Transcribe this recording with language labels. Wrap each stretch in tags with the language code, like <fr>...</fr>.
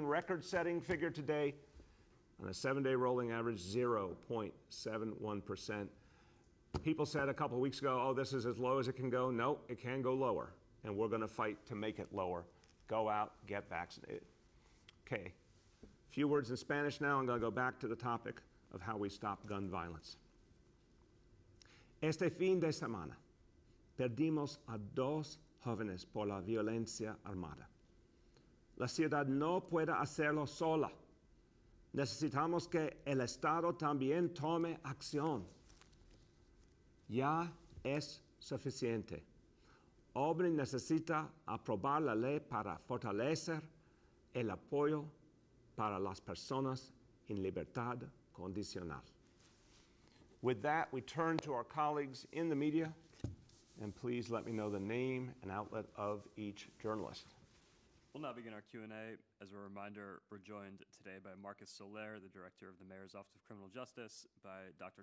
<en>Record-setting figure today on a seven-day rolling average, 0.71%. People said a couple weeks ago, oh, this is as low as it can go. No, it can go lower. And we're going to fight to make it lower. Go out, get vaccinated. Okay, a few words in Spanish now. I'm going to go back to the topic of how we stop gun violence.</en> <es>Este fin de semana, perdimos a dos jóvenes por la violencia armada. La ciudad no puede hacerlo sola. Necesitamos que el Estado también tome acción. Ya es suficiente. OBRI necesita aprobar la ley para fortalecer el apoyo para las personas en libertad condicional.</es> <en>With that, we turn to our colleagues in the media, and please let me know the name and outlet of each journalist. We'll now begin our Q&A. As a reminder, we're joined today by Marcus Soler, the director of the Mayor's Office of Criminal Justice, by Dr.</en>